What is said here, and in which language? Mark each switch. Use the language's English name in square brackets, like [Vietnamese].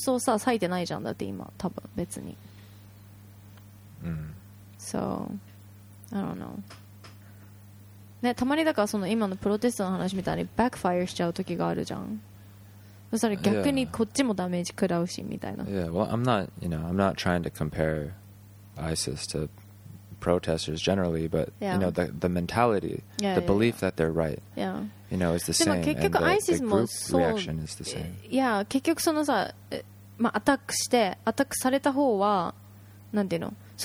[Japanese] だからもうちょっとなんかさ、その今トーチャーとかするときに心理学者とかをすごい有効活用してるじゃん、アメリカ政府とかは。逆にそういうことじゃなくて、そういう科学者とか心理学者の人とかの知恵を集結してさ、もうちょっとなんか平和的に解決する方法を考えられないものなのかね。そこにリソースをさ、割いてないじゃん、だって今多分別に。 [English] Yeah, well, I'm not trying to compare ISIS to protesters generally, but you know, the mentality, the belief that they're right, you know, is the same. [Japanese] でも結局ISISもそう。reaction [English] is the same. [Japanese] Yeah, 結局そのさ、まあアタックして、アタックされた方は、なんていうの。